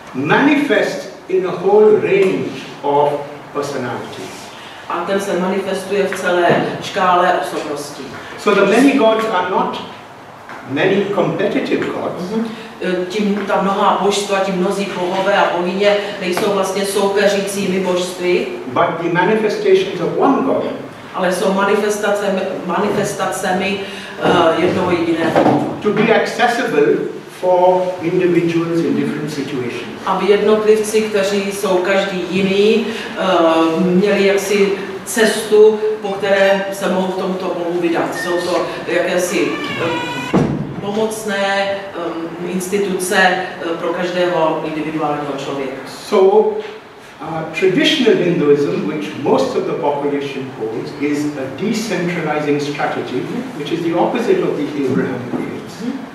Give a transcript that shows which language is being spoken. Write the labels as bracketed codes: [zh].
[en] Manifest in a whole range of personalities. [cs] A ten se manifestuje v celé škále osobností. [en] So the many gods are not many competitive gods. [cs] Tím ta mnohá božstva, ti mnozí bohové a bohyně nejsou vlastně soupeřícími božství. [en] But the manifestations of one God. [cs] Ale jsou manifestacemi jednoho jediného. [en] To be accessible for individuals in different situations. [cs] Aby jednotlivci, kteří jsou každý jiný, měli jaksi cestu, po které se mohou v tomto Bohu vydat. Jsou to jakési pomocné instituce pro každého individuálního člověka. [en] So, traditional Hinduism, which most of the population holds, is a decentralizing strategy, which is the opposite of the Abrahamic faiths.